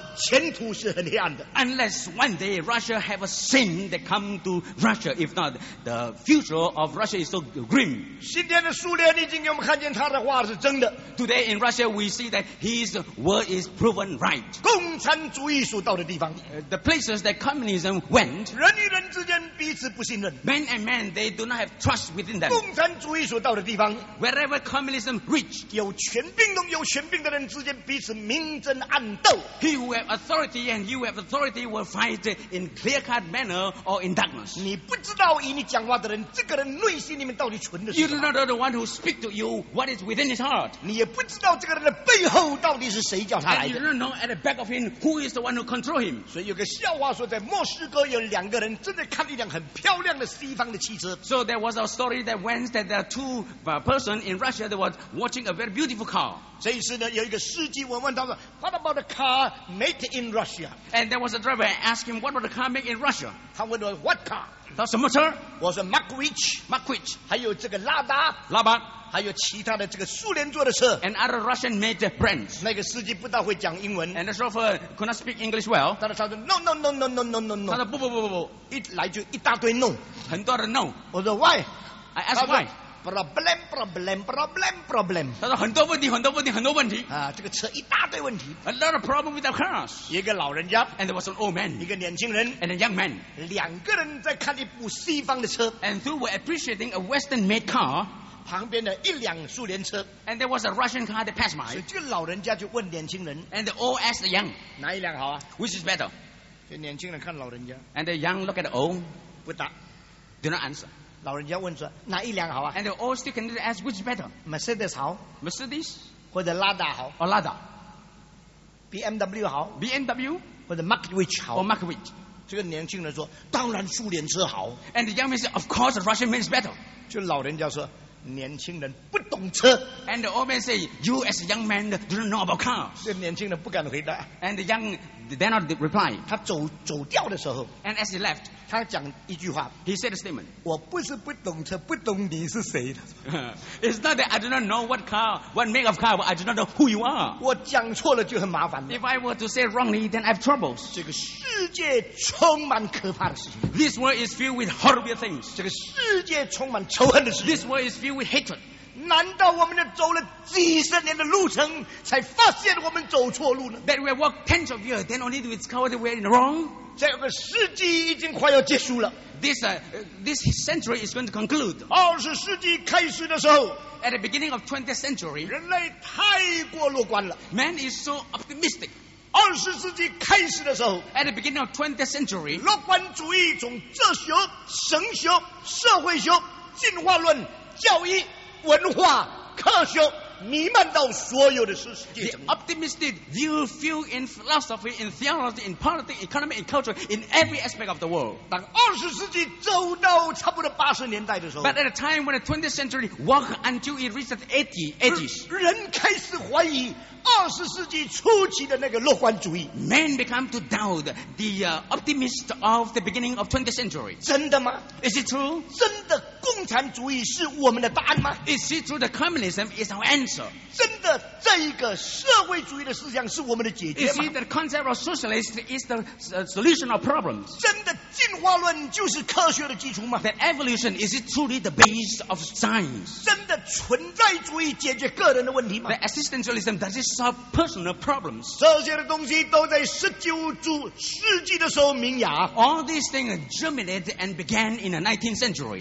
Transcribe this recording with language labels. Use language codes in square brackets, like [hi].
[zh] 前途是很黑暗的。 [en] Unless one day Russia have a saint that come to Russia, if not, the future of Russia is so grim. [zh] 今天的苏联已经给我们看见他的话是真的。 [en] Today in Russia we see that his word is proven right. [zh] 共产主义所到的地方。 [en] The places that communism went. [zh] 人与人之间彼此不信任。 [en] Man and man they do not have trust within them. [zh] 共产主义所到的地方。 [en] Wherever communism reached. [zh] 有权并拢有权柄的人之间彼此明争暗斗。 [en] You have authority and you have authority will fight in clear-cut manner or in darkness. [zh] 你不知道与你讲话的人，这个人内心里面到底存的是什么。 [en] You do not know the one who speaks to you what is within his heart. [zh] 你也不知道这个人的背后到底是谁叫他来的。 [en] You do not know at the back of him who is the one who controls him. [zh] 所以有个笑话说，在墨西哥有两个人正在看一辆很漂亮的西方的汽车。 [en] So there was a story that went that there are two person in Russia that was watching a very beautiful car. [zh] 这一次呢，有一个司机问他说 ， [en] What about the car？ Made in Russia. And there was a driver asking him, what was the car made in Russia? [zh] 他问我 [en] what car? [zh] 他什么车 [en] was a Makovich. [zh] 还有这个拉达。拉巴。还有其他的这个苏联做的车 [en] and other Russian made brands. [zh] 那个司机不大会讲英文 [en] and the chauffeur could not speak English well. [zh] 他说 [en] no. [zh] 他说不，一来就一大堆 [en] no. [zh] 很多人 [en] no. [zh] 我说 [en] why? I asked why. Problem. [zh] 他说很多问题。啊，这个车一大堆问题。 [en] A lot of problems with the cars. [zh] 一个老人家。 [en] And there was an old man. [zh] 一个年轻人。 [en] And a young man. [zh] 两个人在看一部西方的车。 [en] And they were appreciating a Western made car. [zh] 旁边的一辆苏联车。 [en] And there was a Russian car that passed by. [zh] 所以这个老人家就问年轻人。 [en] And the old asked the young. [zh] 哪一辆好啊 [en] ？Which is better? [zh] 这年轻人看老人家。 [en] And the young look at the old. [zh] 不答。 [en] Do not answer. [zh] 老人家问说哪一辆好啊 [en] ？And they all still can ask which is better. [zh] Mercedes 好 [en] ，Mercedes [zh] 或者 Lada 好 [en] ，or Lada. [zh] BMW 好 [en] ，BMW [zh] 或者 Markovich 好 [en] ，or Markovich. [zh] 这个年轻人说当然苏联车好 [en] ，And the young man said of course the Russian means better. [zh] 就老人家说年轻人不懂车 [en] ，And the old man said you as a young man don't know about cars. [zh] 这年轻人不敢回答 [en] ，And the young dare not reply. [zh] 他走掉的时候 [en] ，And as he left. [zh] 他讲一句话 [en] He said a statement [zh] 我不是不懂车不懂你是谁 [en] It's not that I do not know what car what make of car but I do not know who you are [zh] 我讲错了就很麻烦 [en] If I were to say wrongly then I have troubles [zh] 这个世界充满可怕的事情 [en] This world is filled with horrible things [zh] 这个世界充满仇恨的事情 [en] This world is filled with hatred [zh] 难道我们走了几十年的路程才发现我们走错路呢 [en] That we have walked tens of years then only to discover that we are in the wrong [zh] 这个世纪已经快要结束了 [en] this century is going to conclude [zh] 二十世纪开始的时候 [en] at the beginning of 20th century [zh] 人类太过乐观了 [en] man is so optimistic [zh] 二十世纪开始的时候 [en] at the beginning of 20th century [zh] 乐观主义从哲学神学社会学进化论教育文化科学弥漫到所有的世界。 [en] The optimistic view filled in philosophy, in theology, in politics, economy, in culture, in every aspect of the world. [zh] 当二十世纪走到差不多八十年代的时候 [en] ，But at a time when the 20th century walked until it reached the 80s, [zh] 人开始怀疑二十世纪初期的那个乐观主义。 [en] Men began to doubt the optimist of the beginning of 20th century. [zh] 真的吗 [en] ？Is it true? [zh] 真的共产主义是我们的答案吗 [en] ？Is it true that communism is our answer? [zh] 真的，这一个社会主义的思想是我们的解决吗 [en] ？You see, the concept of socialism is the solution of problems. [zh] 真的，进化论就是科学的基础吗 [en] ？That evolution, is it truly the base of science? The existentialism, does it solve personal problems? All these things germinated and began in the 19th century.